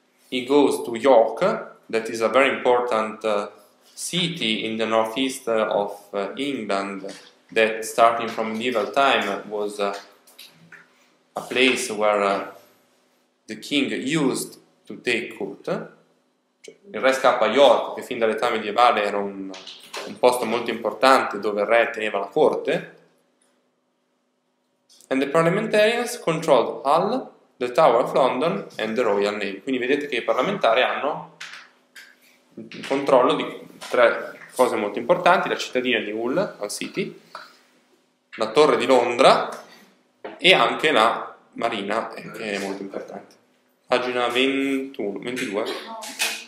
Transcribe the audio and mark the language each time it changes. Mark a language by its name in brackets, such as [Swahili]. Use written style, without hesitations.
[English] He goes to York, that is a very important city in the northeast of England, that starting from medieval time was a place where the king used to take court. [Italian] Il re scappa a York, che fin dall'età medievale era un posto molto importante dove il re teneva la corte. [English] And the parliamentarians controlled Hull, the Tower of London and the Royal Navy. [Italian] Quindi vedete che i parlamentari hanno il controllo di tre cose molto importanti: la cittadina di Hull, Hull City, la Torre di Londra e anche la Marina, che è molto importante. Pagina 21, 22.